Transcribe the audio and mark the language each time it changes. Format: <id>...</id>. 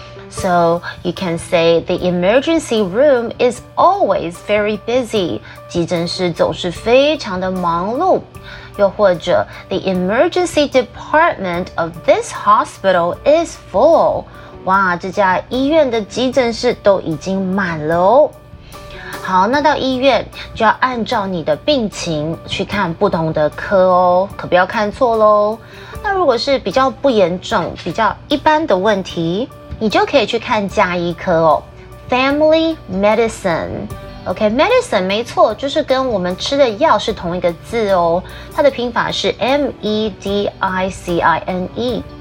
<en>So you can say the emergency room is always very busy.</en> <zh>急诊室总是非常的忙碌。又或者</zh> <en>the emergency department of this hospital is full.</en> <zh>哇，这家医院的急诊室都已经满了哦。好，那到医院就要按照你的病情去看不同的科哦，可不要看错咯。那如果是比较不严重、比较一般的问题，你就可以去看加医科哦 ，Family Medicine， OK， Medicine 没错，就是跟我们吃的药是同一个字哦，它的拼法是 M-E-D-I-C-I-N-E。</zh>